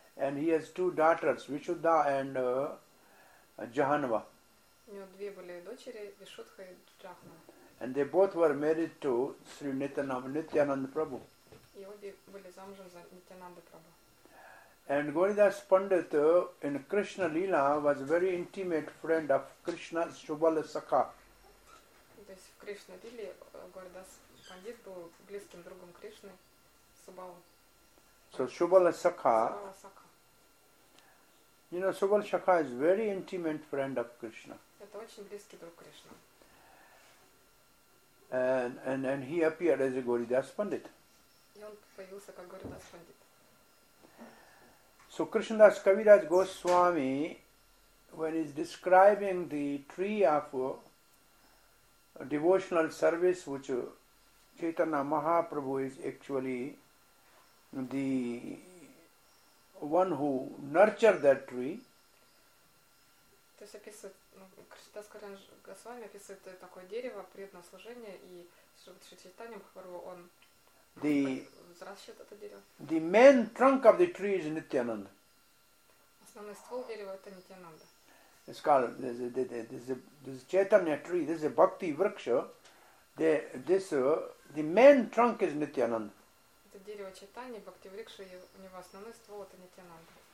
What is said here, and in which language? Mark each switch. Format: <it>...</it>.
<en>And he has two daughters, Vishuddha and Jahanava.</en> <ru>У него две были дочери, Вишудха и Джахна.</ru> <en>And they both were married to Sri Nityananda Prabhu.</en> <ru>И обе были замужем за Нитянанда Прабху.</ru> <en>And Gauridas Pandit in Krishna Leela was very intimate friend of Krishna's Shubala Sakha.</en> <ru>То есть в Кришна Лиле Гаурдас Пандит был близким другом Кришны, Субалу.</ru> <en>So Shubala Sakha. Subala-sakha. You know, Shubala Sakha is very intimate friend of Krishna.</en> <ru>Это очень близкий друг Кришны.</ru> <en>And he appeared as a Gauridas Pandit.</en> <ru>И он появился как Гаурдас Пандит.</ru> <en>So Krishnadas Kaviraj Goswami, when he is describing the tree of devotional service which Chaitanya Mahaprabhu is actually the one who nurtured that tree.</en> <ru>То есть описывает, ну, Кришнадас Кальяна Госвами описывает такое дерево преданного служения, и Шри Чайтанья Махапрабху, он взращивает это дерево.</ru> <en>The main trunk of the tree is Nityananda.</en> <ru>Основной ствол дерева это Нитьянанда.</ru> <en>It's called, this is Chaitanya tree, this is a bhakti vriksha. The main trunk is Nityananda.</en> <ru>Это дерево Чайтанья, бхакти врикша, и у него основной ствол это Нитьянанда.</ru>